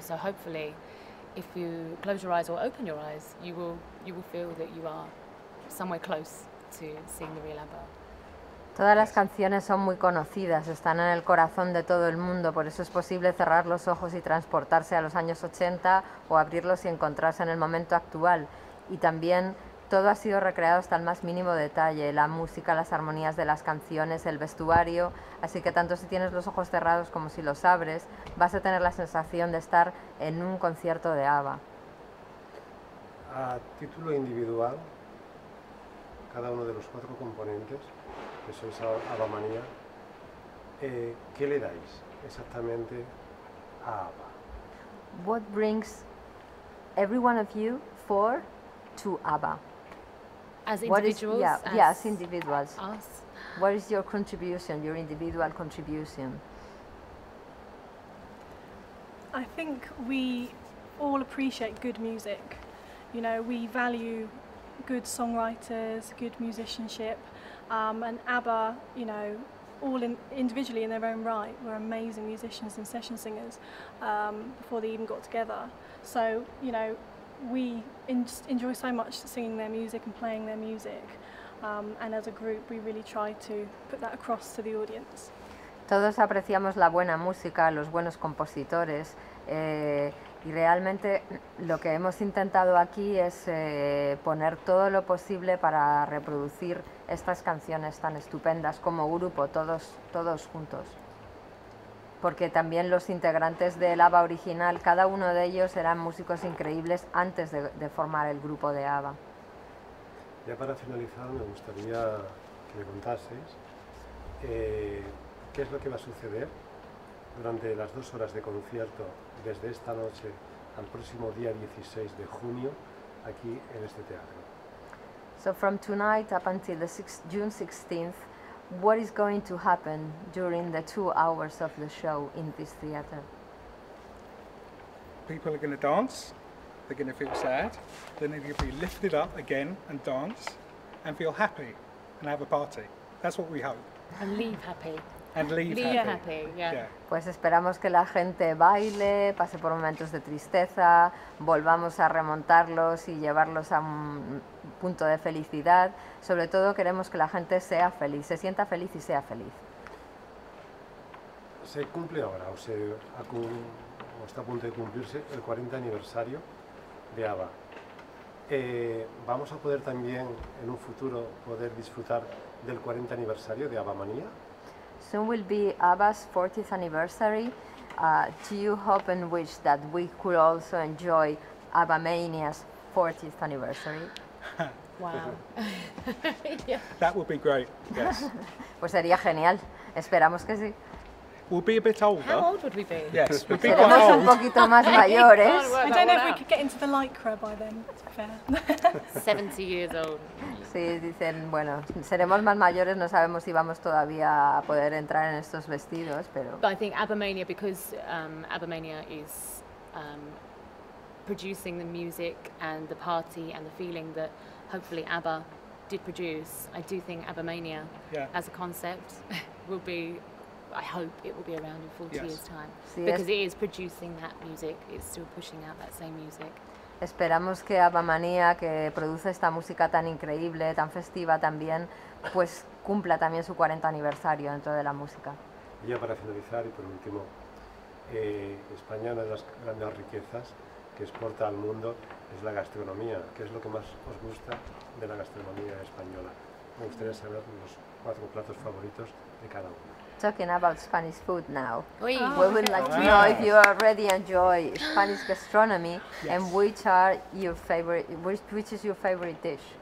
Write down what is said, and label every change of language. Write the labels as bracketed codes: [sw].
[en] So hopefully if you close your eyes or open your eyes, you will feel that you are somewhere close to seeing the real ABBA. [es] Todas las canciones son muy conocidas, están en el corazón de todo el mundo, por eso es posible cerrar los ojos y transportarse a los años 80 o abrirlos y encontrarse en el momento actual. Y también todo ha sido recreado hasta el más mínimo detalle, la música, las armonías de las canciones, el vestuario, así que tanto si tienes los ojos cerrados como si los abres, vas a tener la sensación de estar en un concierto de ABBA. A título individual, cada uno de los cuatro componentes, que sois Abamanía, ¿qué le dais exactamente a ABBA? [en] What brings every one of you four to ABBA? As individuals? As individuals. Us? What is your contribution, your individual contribution? I think we all appreciate good music. You know, we value good songwriters, good musicianship. And ABBA, you know, all individually in their own right, were amazing musicians and session singers before they even got together. So, you know, we enjoy so much singing their music and playing their music. And as a group, we really try to put that across to the audience. [es] Todos apreciamos la buena música, los buenos compositores. Y realmente lo que hemos intentado aquí es poner todo lo posible para reproducir estas canciones tan estupendas como grupo, todos juntos. Porque también los integrantes del ABBA original, cada uno de ellos eran músicos increíbles antes de formar el grupo de ABBA. Ya para finalizar, me gustaría que me contases qué es lo que va a suceder durante las dos horas de concierto, desde esta noche al próximo día 16 de junio, aquí en este teatro. [en] So from tonight up until the June 16th, what is going to happen during the 2 hours of the show in this theater? People are going to dance. they're going to feel sad, then they're going to be lifted up again and dance and feel happy and have a party. That's what we hope. And leave happy. And leave happy. Yeah. Yeah. [es] Pues esperamos que la gente baile, pase por momentos de tristeza, volvamos a remontarlos y llevarlos a un punto de felicidad. Sobre todo queremos que la gente sea feliz, se sienta feliz y sea feliz. Se cumple ahora, o está a punto de cumplirse, el 40 aniversario de ABBA. ¿Vamos a poder también en un futuro poder disfrutar del 40 aniversario de ABBA Manía? [en] Soon will be ABBA's 40th anniversary. Do you hope and wish that we could also enjoy ABBA Mania's 40th anniversary? Wow. That would be great, yes. [es] Pues sería genial. Esperamos que sí. [en] We'll be a bit older. How old would we be? Yes, we'll be quite old. [es] Seremos un poquito más mayores. [en] I don't know if we could get into the Lycra by then, to be fair. 70 years old. [es] Sí, dicen, bueno, seremos más mayores, no sabemos si vamos todavía a poder entrar en estos vestidos, pero... [en] But I think ABBA Mania, because ABBA Mania is producing the music and the party and the feeling that hopefully ABBA did produce, I do think ABBA Mania as a concept will be... I hope it will be around in 40 years time, because it is producing that music, it's still pushing out that same music. [es] Esperamos que ABBA Mania, que produce esta música tan increíble, tan festiva también, pues cumpla también su 40 aniversario dentro de la música. Ya para finalizar y por último, España, una de las grandes riquezas que exporta al mundo es la gastronomía. ¿Qué es lo que más os gusta de la gastronomía española? Me gustaría saber los cuatro platos favoritos de cada uno. [en] Talking about Spanish food now. Oui. We would like to know if you already enjoy Spanish gastronomy and which is your favorite dish?